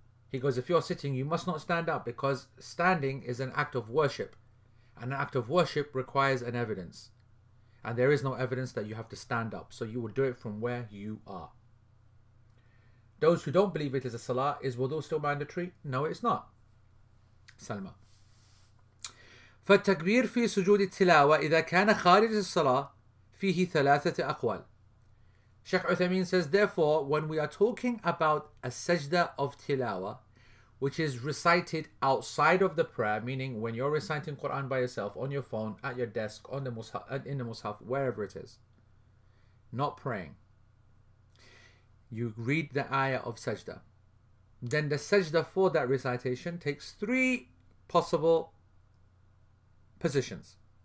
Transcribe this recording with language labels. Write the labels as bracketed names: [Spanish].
[English] He goes, if you're sitting, you must not stand up because standing is an act of worship. And an act of worship requires an evidence. And there is no evidence that you have to stand up. So you will do it from where you are. Those who don't believe it is a salah, is wudu still mandatory? No, it's not. Salma. [Arabic] فالتكبير في سجود التلاوة إذا كان خارج الصلاة فيه ثلاثة أقوال. [English] Sheikh Uthaymeen says, therefore, when we are talking about a sajda of tilawa, which is recited outside of the prayer, meaning when you're reciting Quran by yourself, on your phone, at your desk, on the mushaf, in the mushaf, wherever it is, not praying, you read the ayah of sajda, then the sajda for that recitation takes three possible positions.